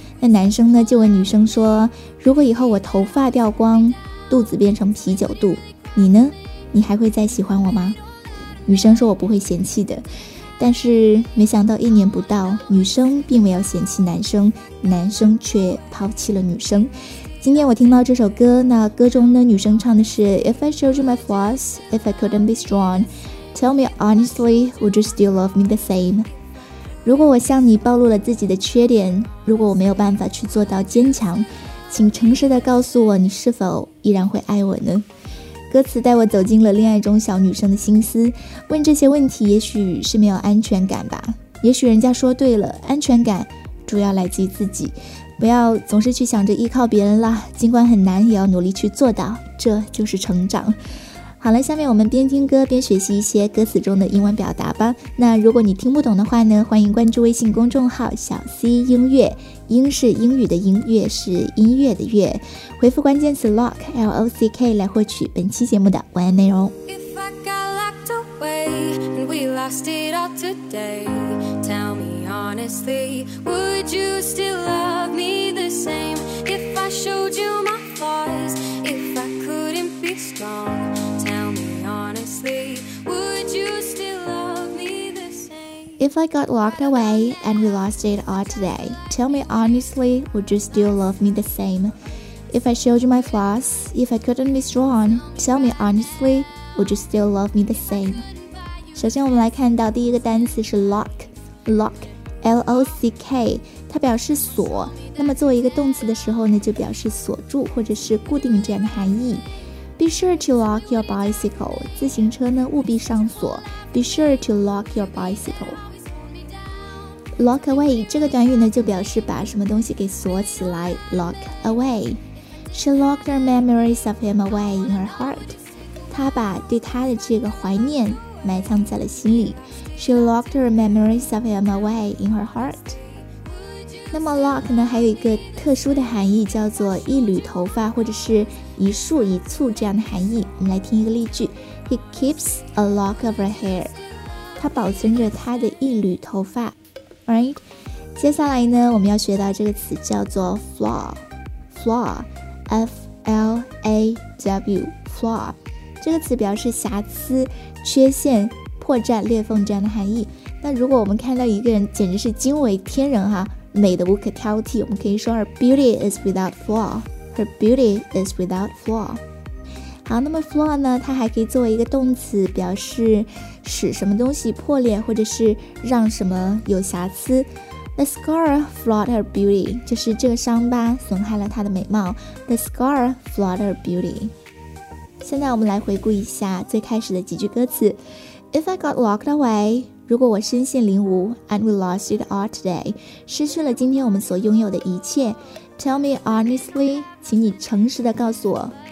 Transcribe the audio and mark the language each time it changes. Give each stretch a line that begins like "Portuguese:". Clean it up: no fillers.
Chinese: 那男生呢就问女生说，如果以后我头发掉光，肚子变成啤酒肚，你呢？你还会再喜欢我吗？女生说，我不会嫌弃的。但是没想到一年不到，女生并没有嫌弃男生，男生却抛弃了女生。今天我听到这首歌，那歌中呢女生唱的是
English: If I showed you my flaws, if I couldn't be strong, tell me honestly, would you still love me the same?
Chinese: 如果我向你暴露了自己的缺点，如果我没有办法去做到坚强，请诚实地告诉我，你是否依然会爱我呢？歌词带我走进了恋爱中小女生的心思，问这些问题也许是没有安全感吧。也许人家说对了，安全感主要来自于自己，不要总是去想着依靠别人了，尽管很难也要努力去做到，这就是成长。好了，下面我们边听歌边学习一些歌词中的英文表达吧。那如果你听不懂的话呢，欢迎关注微信公众号小 C 音乐，英是英语的英，乐是音乐的乐，回复关键词 LOCK LOCK 来获取本期节目的文案内容。
English: If I got locked away and we lost it all today, tell me honestly, would you still love me the same? If I showed you my flaws, if I couldn't be strongIf I got locked away and we lost it all today, tell me honestly, would you still love me the same? If I showed you my flaws, if I couldn't be strong, tell me honestly, would you still love me the same?
Chinese: 首先我们来看到第一个单词是 lock, lock, L-O-C-K, 它表示锁，那么作为一个动词的时候呢，就表示锁住或者是固定这样的含义。
English: Be sure to lock your bicycle,
Chinese: 自行车呢务必上锁。
English: Be sure to lock your bicycle.
Chinese: Lock away 这个短语呢就表示把什么东西给锁起来。
English: Lock away. She locked her memories of him away in her heart.
Chinese: 她把对他的这个怀念埋藏在了心里。
English: She locked her memories of him away in her heart.
Chinese: 那么 lock 呢还有一个特殊的含义，叫做一缕头发或者是一束一簇这样的含义。我们来听一个例句。
English: He keeps a lock of her hair.
Chinese: 他保存着他的一缕头发。
English: Alright?
Chinese: 接下来呢我们要学到这个词叫做 flaw.
English: Flaw. F-L-A-W. Flaw.
Chinese: 这个词表示瑕疵、缺陷、破绽、裂缝这样的含义。那如果我们看到一个人简直是惊为天人哈，美的无可挑剔，我们可以说
English: Her beauty is without flaw. Her beauty is without flaw.
Chinese: 好，那么 flaw 呢它还可以作为一个动词，表示使什么东西破裂或者是让什么有瑕疵。
English: The scar flawed her beauty,
Chinese: 就是这个伤疤损害了她的美貌。
English: The scar flawed her beauty.
Chinese: 现在我们来回顾一下最开始的几句歌词。
English: If I got locked away,
Chinese: 如果我身陷囹圄。
English: And we lost it all today,
Chinese: 失去了今天我们所拥有的一切。
English: Tell me honestly,
Chinese: 请你诚实地告诉我。